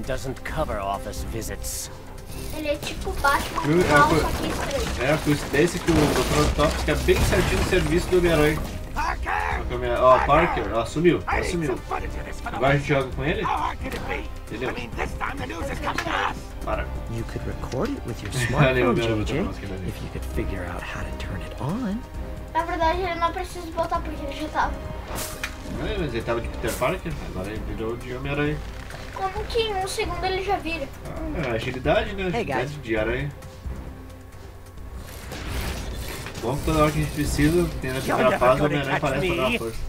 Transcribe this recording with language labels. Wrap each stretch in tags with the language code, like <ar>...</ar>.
<en>Doesn't cover office visits.</en> <pt>Ele é tipo Batman. É a coincidência que o Dr. Octopus quer bem certinho o serviço do Homem-Aranha. Ó, Parker, ó, sumiu, assumiu. Agora a gente joga com ele? Entendeu? Para.</pt> <en>You could record it with your smartphone, JJ, if you could figure out how to turn it on.</en> <pt>Na verdade, ele não precisa voltar porque ele já tava. É, mas ele tava de Peter Parker, agora ele virou de Homem-Aranha. Como que em um segundo ele já vira? Ah, agilidade, né? Agilidade de aranha. Bom que toda hora que a gente precisa, tem essa trapada, o Homem-Aranha parece pra dar força.</pt>